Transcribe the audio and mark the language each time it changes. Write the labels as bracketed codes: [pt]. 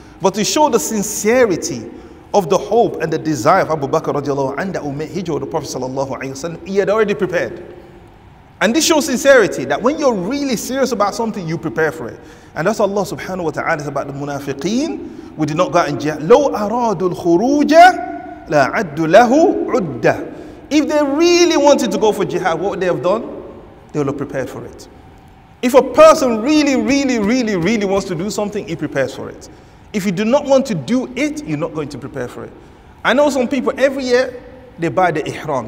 [en] But to show the sincerity of the hope and the desire of Abu Bakr radiallahu anhu that will make hijrah with the Prophet sallallahu alayhi wa sallam, he had already prepared. And this shows sincerity, that when you're really serious about something, you prepare for it. And that's Allah subhanahu wa ta'ala is about the munafiqeen. We did not go out in jihad. [ar] لو أرادوا الخروج لا عدوا له عدة. [en] If they really wanted to go for jihad, what would they have done? They would have prepared for it. If a person really, really, really, really wants to do something, he prepares for it. If you do not want to do it, you're not going to prepare for it. I know some people, every year, they buy the ihram.